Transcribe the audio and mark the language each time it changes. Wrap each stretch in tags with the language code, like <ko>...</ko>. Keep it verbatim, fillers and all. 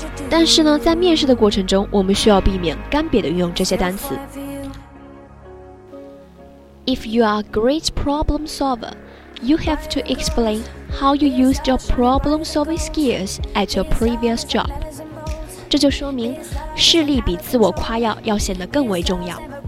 <zh>但是呢，在面试的过程中，我们需要避免干瘪地运用这些单词。</zh> <en>If you are a great problem solver, you have to explain. How you used your problem-solving skills at your previous job？</en> <zh>这就说明事例比自我夸耀要显得更为重要。</zh>